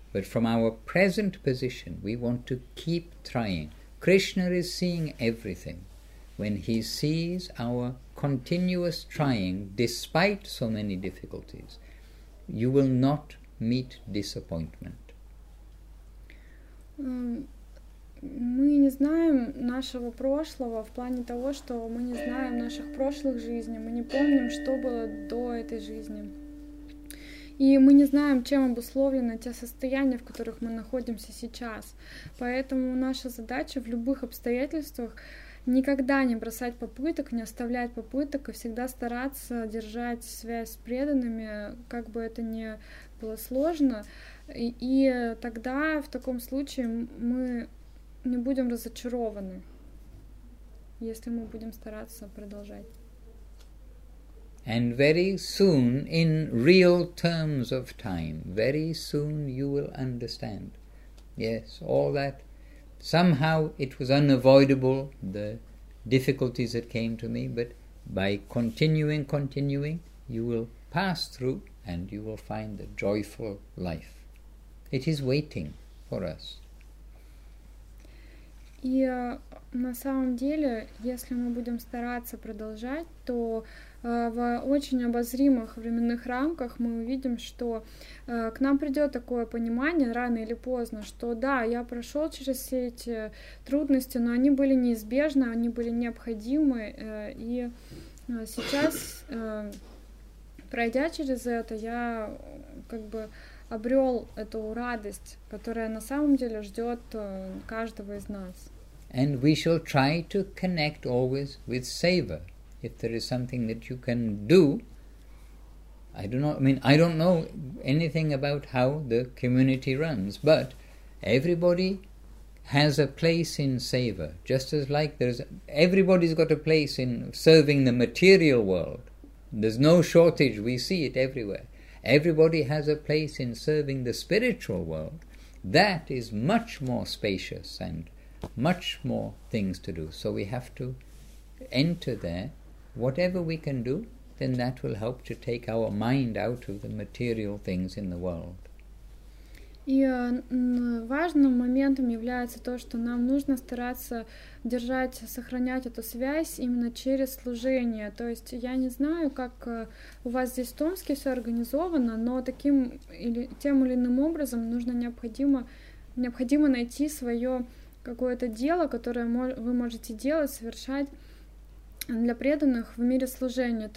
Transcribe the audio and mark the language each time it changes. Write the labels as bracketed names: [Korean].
[English] But from our present position, we want to keep trying. Krishna is seeing everything. When he sees our continuous trying, despite so many difficulties, you will not meet disappointment. [Russian] Мы не знаем нашего прошлого в плане того, что мы не знаем наших прошлых жизней, мы не помним, что было до этой жизни. И мы не знаем, чем обусловлены те состояния, в которых мы находимся сейчас. Поэтому наша задача в любых обстоятельствах никогда не бросать попыток, не оставлять попыток, и всегда стараться держать связь с преданными, как бы это ни было сложно. И тогда, в таком случае, мы не будем разочарованы, если мы будем стараться продолжать. [English] And very soon, in real terms of time, very soon you will understand. Yes, all that. Somehow it was unavoidable, the difficulties that came to me, but by continuing, you will pass through and you will find the joyful life. It is waiting for us. [Russian] И на самом деле, если мы будем стараться продолжать, то в очень обозримых временных рамках мы увидим, что к нам придет такое понимание рано или поздно, что да, я прошел через все эти трудности, но они были неизбежны, они были необходимы, и сейчас, пройдя через это, я как бы обрел эту радость, которая на самом деле ждет каждого из нас. [English] And we shall try to connect always with Seva. If there is something that you can do, I don't know anything about how the community runs, but everybody has a place in Seva. Just as like everybody's got a place in serving the material world. There's no shortage, we see it everywhere. Everybody has a place in serving the spiritual world. That is much more spacious and much more things to do. So we have to enter there. Whatever we can do, then that will help to take our mind out of the material things in the world. [Russian] И важным моментом является то, что нам нужно стараться держать, сохранять эту связь именно через служение. То есть я не знаю, как у вас здесь в Томске все организовано, но таким или тем или иным образом необходимо найти свое какое-то дело, которое вы можете делать, совершать для преданных в мире служения.